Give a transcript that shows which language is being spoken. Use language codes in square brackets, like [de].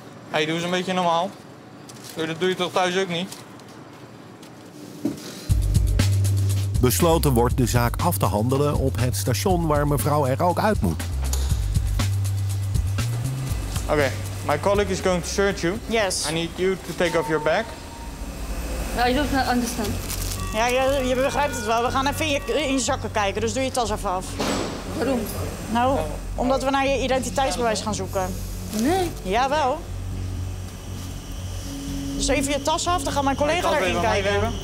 [nl] Hey, doe eens een beetje normaal. Dat doe je toch thuis ook niet? Besloten wordt de zaak af te handelen op het station waar mevrouw er ook uit moet. Oké. Okay. [en] My colleague is going to search you. Yes. I need you to take off your bag. I don't understand. [nl] Ja, je begrijpt het wel. We gaan even in je zakken kijken, dus doe je tas even af. Waarom? Nou, omdat we naar je identiteitsbewijs gaan zoeken. Nee. Jawel. Dus even je tas af, dan gaat mijn collega erin kijken.